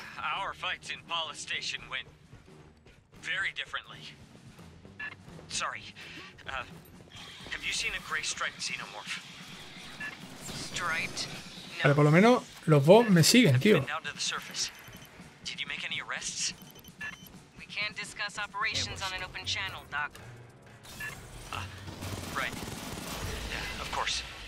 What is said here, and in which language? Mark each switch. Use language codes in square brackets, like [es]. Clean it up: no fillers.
[en] Our fights in Paula Station went very differently. Sorry. Have you seen a gray striped xenomorph? Striped? No. [es] Vale, por lo menos los bots me siguen, tío. [en] Did you make any arrests? We can't discuss operations on an open channel, Doc. Right. Of course.